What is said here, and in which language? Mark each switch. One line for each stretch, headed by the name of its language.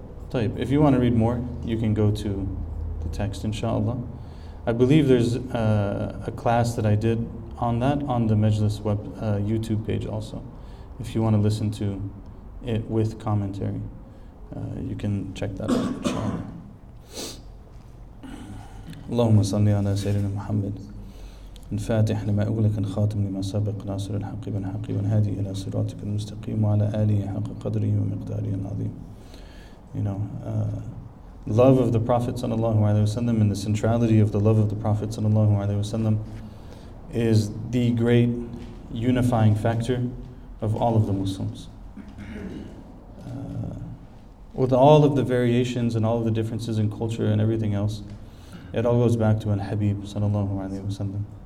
English: Tayyib, if you want to read more, you can go to the text, inshallah. I believe there's a class that I did on that on the Majlis web YouTube page also. If you want to listen to it with commentary, you can check that out.
Arabic: اللهم صل على سيدنا محمد الفاتح لما أغلق الخاتم لما سبق ناصر الحق بن حق بن هادي إلى صراطك المستقيم وعلى آله حق قدره ومقداره العظيم.
English: You know, love of the Prophet
Arabic: sallallahu alaihi wasallam
English: and the centrality of the love of the Prophet sallallahu alaihi wasallam is the great unifying factor of all of the Muslims. With all of the variations and all of the differences in culture and everything else, it all goes back to an Habib
Arabic: sallallahu alaihi wasallam.